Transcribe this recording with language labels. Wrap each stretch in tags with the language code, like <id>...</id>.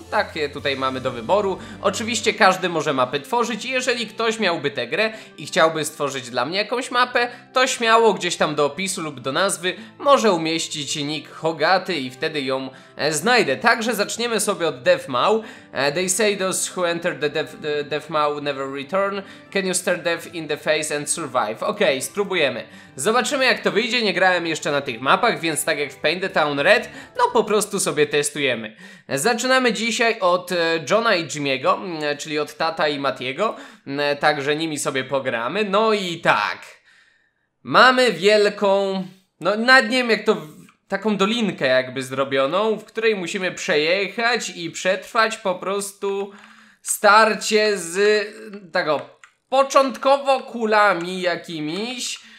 <pl>Takie tutaj mamy do wyboru. Oczywiście każdy może mapy tworzyć. Jeżeli ktoś miałby tę grę i chciałby stworzyć dla mnie jakąś mapę, to śmiało gdzieś tam do opisu lub do nazwy może umieścić nick Hogaty i wtedy ją znajdę. Także zaczniemy sobie od DevMau.</pl> <en>They say those who enter the DevMau never return. Can you stare death in the face and survive?</en> <pl>Ok, spróbujemy. Zobaczymy jak to wyjdzie, nie grałem jeszcze na tych mapach, więc tak jak w Paint the Town Red, no po prostu sobie testujemy. Zaczynamy dzisiaj od Johna i Jimmy'ego, czyli od tata i Mattiego, także nimi sobie pogramy. No i tak, mamy wielką, no nad nim jak to, taką dolinkę jakby zrobioną, w której musimy przejechać i przetrwać po prostu starcie z tego początkowo kulami jakimiś.</pl>